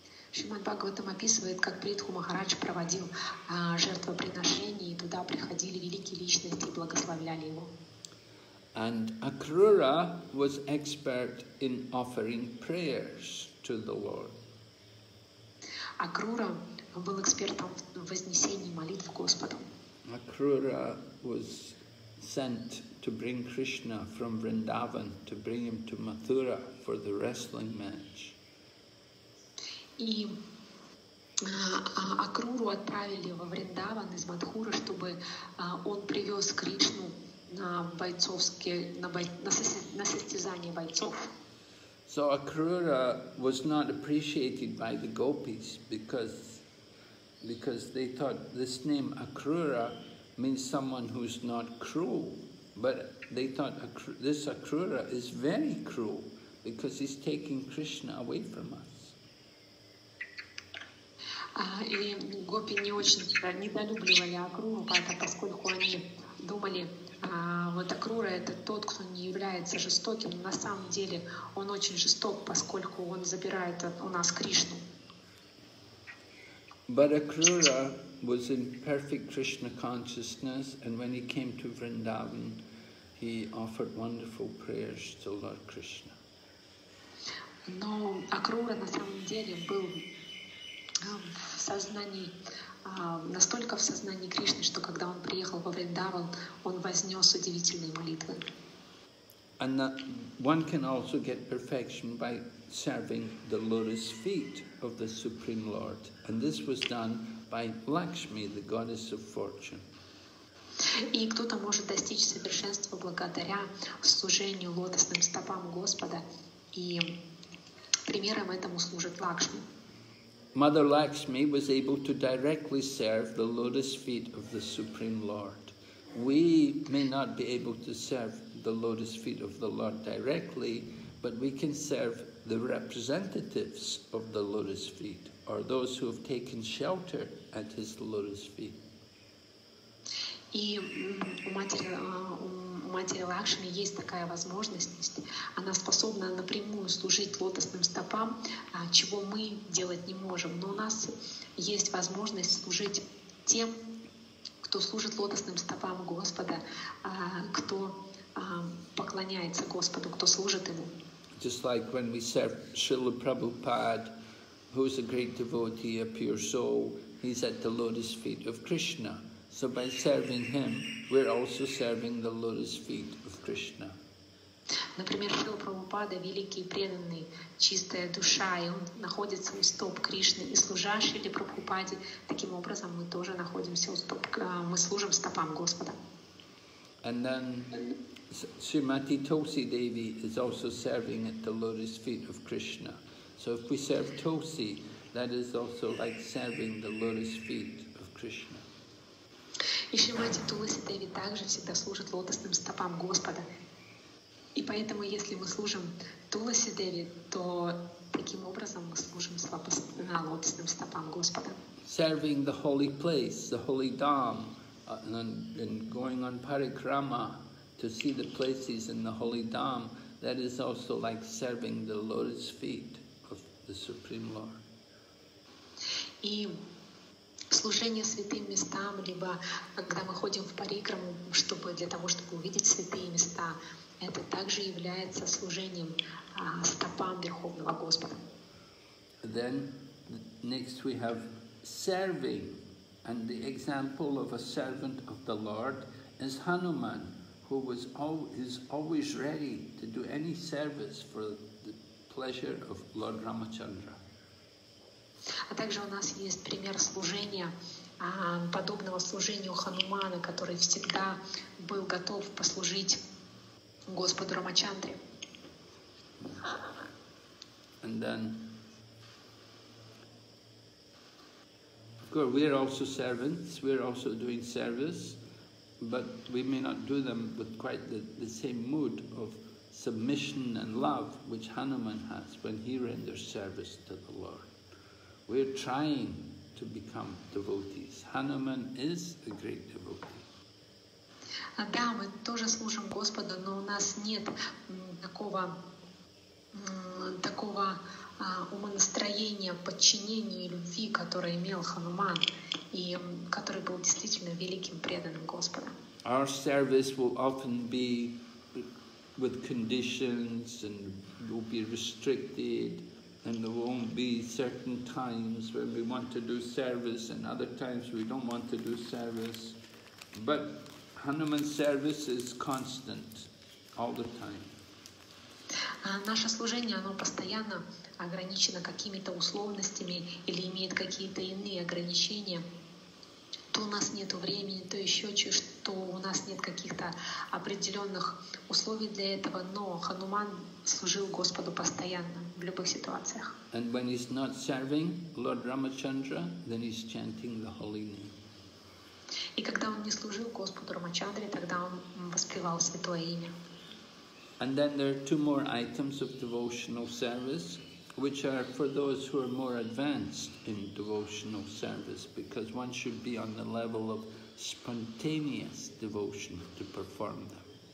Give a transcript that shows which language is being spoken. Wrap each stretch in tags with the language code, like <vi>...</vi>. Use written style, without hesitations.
<ru>Шримад Бхагаватам описывает, как Притху Махарадж проводил жертвоприношения, и туда приходили великие личности и благословляли его.</ru> <en>And Akrura was expert in offering prayers to the Lord.</en> <ru>Акрура был экспертом в вознесении молитв Господу.</ru> <en>Akrura was sent to bring Krishna from Vrindavan, to bring him to Mathura for the wrestling match.</en> <ru>И Акруру отправили во Вриндаван из Мадхуры, чтобы он привез Кришну на состязание бойцов.</ru> <en>So Akrura was not appreciated by the gopis because they thought this name Akrura means someone who's not cruel, but they thought this Akrura is very cruel because he's taking Krishna away from us.</en> <ru>И гопи не очень недолюбливали Акруру, поскольку они думали, вот Акрура — это тот, кто не является жестоким, но на самом деле он очень жесток, поскольку он забирает у нас Кришну.</ru> <en>But Akrura was in perfect Krishna consciousness, and when he came to Vrindavan, he offered wonderful prayers to Lord Krishna.</en> <ru>Но Акрура на самом деле был в сознании, настолько в сознании Кришны, что когда он приехал во Вриндаван, он вознес удивительные молитвы.</ru> <en>And one can also get perfection by serving the lotus feet of the Supreme Lord. And this was done by Lakshmi, the goddess of fortune.</en> <ru>И кто-то может достичь совершенства благодаря служению лотосным стопам Господа. И примером этому служит Лакшми.</ru> <en>Mother Lakshmi was able to directly serve the lotus feet of the Supreme Lord. We may not be able to serve the lotus feet of the Lord directly, but we can serve the representatives of the lotus feet, or those who have taken shelter at his lotus feet.</en> <ru>И у матери Лакшми есть такая возможность. Она способна напрямую служить лотосным стопам, чего мы делать не можем. Но у нас есть возможность служить тем, кто служит лотосным стопам Господа, кто поклоняется Господу, кто служит Ему.</ru> <en>Just like when we serve Srila Prabhupada, who is a great devotee, a pure soul, he's at the lotus feet of Krishna. So by serving him, we're also serving the lotus feet of Krishna.</en> <ru>Например, Шрила Прабхупада великий преданный, чистая душа, и он находится у стоп Кришны, и служа Шриле Прабхупаде, таким образом мы тоже находимся у стоп, мы служим стопам Господа.</ru> <en>And then Srimati Tulsi Devi is also serving at the lotus feet of Krishna. So if we serve Tulsi, that is also like serving the lotus feet of Krishna.</en> <ru>И Шримати Туласи Деви также всегда служит лотосным стопам Господа. И поэтому, если мы служим Туласи Деви, то таким образом мы служим лотосным стопам Господа.</ru> <en>Serving the holy place, the holy dham, and going on parikrama to see the places in the holy dham, that is also like serving the lotus feet of the Supreme Lord.</en> <ru>И служение святым местам, либо когда мы ходим в парикраму, чтобы для того, чтобы увидеть святые места, это также является служением стопам Верховного Господа.</ru> <en>Then next we have serving, and the example of a servant of the Lord is Hanuman, who was always ready to do any service for the pleasure of Lord Ramachandra.</en> <ru>А также у нас есть пример служения, подобного служению Ханумана, который всегда был готов послужить Господу Рамачандре.</ru> <en>And then, of course, we are also servants, we are also doing service, but we may not do them with quite the same mood of submission and love which Hanuman has when he renders service to the Lord. We're trying to become devotees. Hanuman is a great devotee.</en> <ru>Да, мы тоже служим Господу, но у нас нет такого умонастроения, подчинения и любви, которое имел Хануман, и который был действительно великим преданным Господа.</ru> <en>Our service will often be with conditions and will be restricted. And there won't be certain times when we want to do service and other times we don't want to do service. But Hanuman's service is constant all the time.</en> <ru>Наше служение, оно постоянно ограничено какими-то условностями или имеет какие-то иные ограничения. То у нас нет времени, то еще что у нас нет каких-то определенных условий для этого, но Хануман служил Господу постоянно в любых ситуациях.</ru> <en>And when he's not serving Lord Ramachandra, then he's chanting the holy name.</en> <ru>И когда он не служил Господу Рамачандре, тогда он воспевал святое имя.</ru> <en>And then there are two more items of devotional service. which are for those who are more advanced in devotional service, because one should be on the level of spontaneous devotion to perform them.</en>